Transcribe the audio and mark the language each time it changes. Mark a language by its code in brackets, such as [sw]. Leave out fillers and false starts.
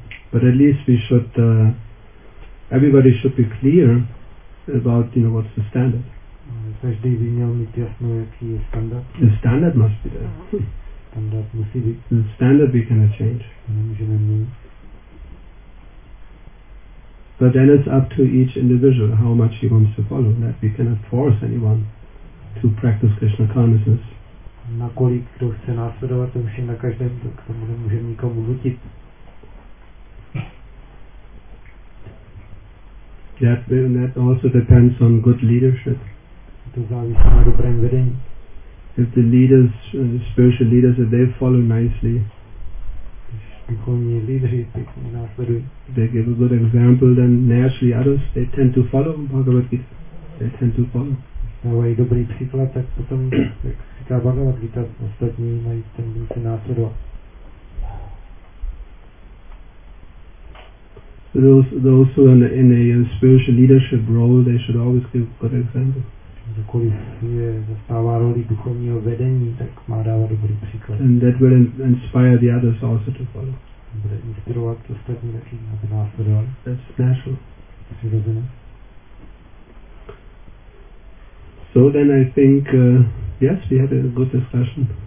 [en] But at least we should, everybody should be clear about, you know, what's the standard. [cs] Každý by měl mít jasno, jaký je standard. [en] The standard must be there. [cs] Standard musí být. [en] The standard we cannot change. [cs] Nemůžeme měnit. [en] But then it's up to each individual how much he wants to follow. That we cannot force anyone to practice Krishna consciousness. [cs] Nakolik kdo chce následovat, to musí na každém, to k tomu nemůžeme nikomu nutit. [en] That also depends on good leadership. [cs] To závisí na dobrém vedení. [en] If the leaders, spiritual leaders, if they follow nicely, [cs] duchovní lídři pěkně následují. [en] They give a good example, then naturally others, they tend to follow Bhagavad Gita. They tend to follow. [cs] Dávají dobrý příklad, tak potom, jak říká Bhagavad Gita, ostatní mají tendenci následovat. [en] Those who are in a spiritual leadership role, they should always give a good example. [cs] Kdokoliv je zastává roli duchovního vedení, tak má dávat dobrý příklad. [en] And that will inspire the others also to follow. [cs] Bude inspirovat ostatní taky, aby následovali. [en] That's natural. [cs] Přirozené. [en] So then I think, yes, we had a good discussion.